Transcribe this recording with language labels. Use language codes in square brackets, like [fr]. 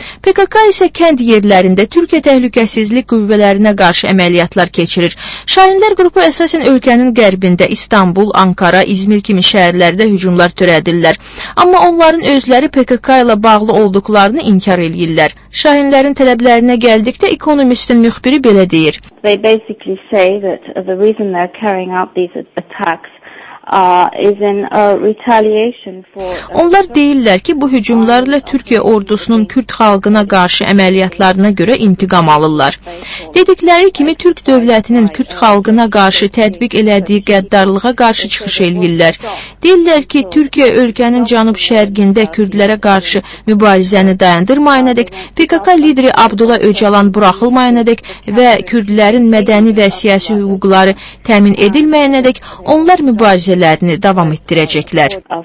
[az] PKK isə kənd yerlərində Türkiyə təhlükəsizlik qüvvələrinə qarşı əməliyyatlar keçirir. Şahinlər qrupu əsasən ölkənin qərbində İstanbul, Ankara, İzmir kimi şəhərlərdə hücumlar törədirlər. Amma onların özləri PKK ilə bağlı olduqlarını inkar edirlər. Şahinlərin tələblərinə gəldikdə ekonomistin müxbiri belə deyir. [en] They basically say that the reason they're carrying out these attacks is in a retaliation for. [az] Onlar deyirlər ki, bu hücumlarla Türkiyə ordusunun Kürt xalqına qarşı əməliyyatlarına görə intiqam alırlar. Dedikləri kimi Türk dövlətinin Kürt xalqına qarşı tətbiq elədiyi qəddarlığa qarşı çıxış edirlər. Deyirlər ki, Türkiyə ölkənin canıb şərqində Kürdlərə qarşı mübarizəni dayandırmayana dək, PKK lideri Abdullah Öcalan buraxılmayana dək və Kürdlərin mədəni və siyasi hüquqları təmin edilməyana dək onlar mübarizələrini davam etdirəcəklər.